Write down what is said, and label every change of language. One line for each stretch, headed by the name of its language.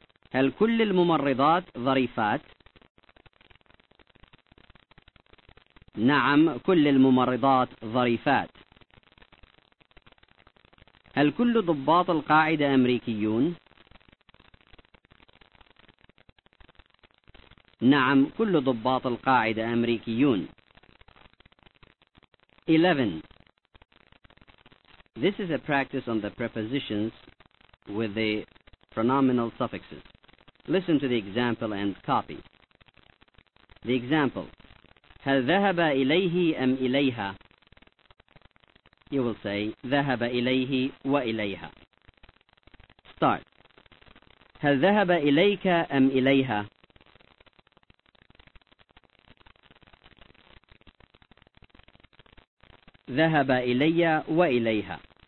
Arabic: هل كل الممرضات ظريفات؟ نعم كل الممرضات ظريفات. هل كل ضباط القاعدة أمريكيون؟ نعم كل ضباط القاعدة أمريكيون.
English: 11. This is a practice on the prepositions with the pronominal suffixes. Listen to the example and copy. The example:
Arabic: هل ذهب إليه أم إليها؟
English: You will say
Arabic: ذهب إليه وإليها.
English: Start.
Arabic: هل ذهب إليك أم إليها؟ ذهب إلي وإليها.